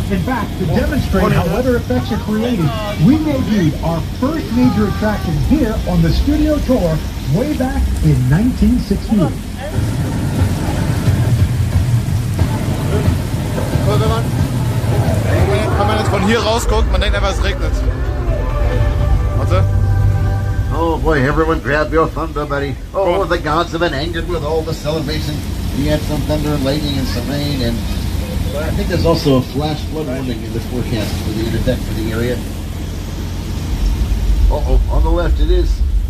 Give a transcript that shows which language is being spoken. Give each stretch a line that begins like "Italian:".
English: In fact, to demonstrate how weather effects are created, we debuted our first major attraction here on the studio tour way back in 1968.
German: Wenn man jetzt von hier rausguckt, man denkt einfach, es regnet. Warte.
English: Oh boy, everyone grab your thunder, buddy. Oh, the gods have been angered with all the celebration. We had some thunder and lightning and some rain, and I think there's also a flash flood warning in the forecast for the interdeck for the area. Uh-oh, on the left it is.